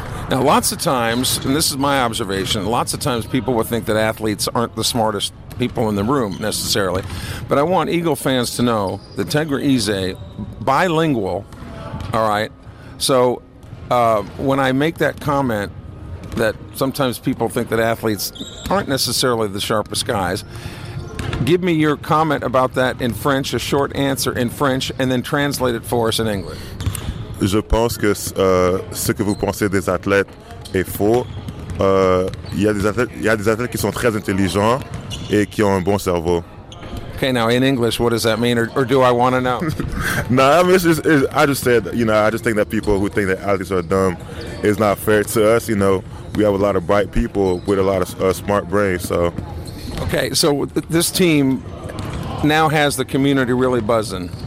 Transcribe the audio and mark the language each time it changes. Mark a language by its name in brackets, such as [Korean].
[English] Now, lots of times, and this is my observation, lots of times people would think that athletes aren't the smartest people in the room necessarily, but I want Eagle fans to know that Tegra Izay, bilingual, all right. So when I make that comment that sometimes people think that athletes aren't necessarily the sharpest guys. Give me your comment about that in French, a short answer in French, and then translate it for us in English. [French] Je pense que ce que vous pensez des athlètes est faux. Il y a des athlètes qui sont très intelligents et qui ont un bon cerveau. [English] Okay, now in English, what does that mean, or do I want to know? I just think that people who think that athletes are dumb is not fair to us. We have a lot of bright people with a lot of smart brains. So, Okay, so this team now has the community really buzzing.